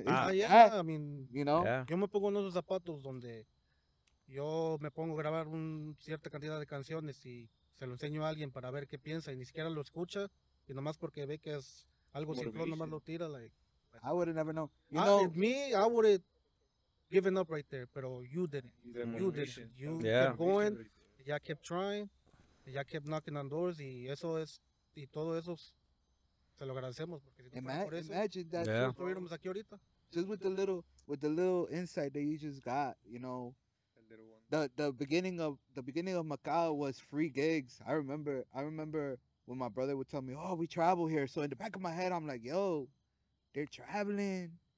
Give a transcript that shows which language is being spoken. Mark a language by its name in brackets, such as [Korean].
[Spanish] Yo me pongo unos zapatos donde yo me pongo a grabar una cierta cantidad de canciones y se lo enseño a alguien para ver qué piensa y ni siquiera lo escucha y nomás porque ve que es algo sin flow nomás lo tira. [English] Like, I would have never known. I would have given up right there, pero you didn't. You didn't. You kept going. Ya kept trying. Ya kept knocking on doors [Spanish] y eso es, y todo eso es, se lo agradecemos porque si no fuera por eso, [English] imagine that [Spanish] estuviéramos aquí ahorita. [English] Just with the little insight that you just got, the beginning of Macao was free gigs. I remember when my brother would tell me, oh, we travel here. So in the back of my head, I'm like, yo, they're traveling.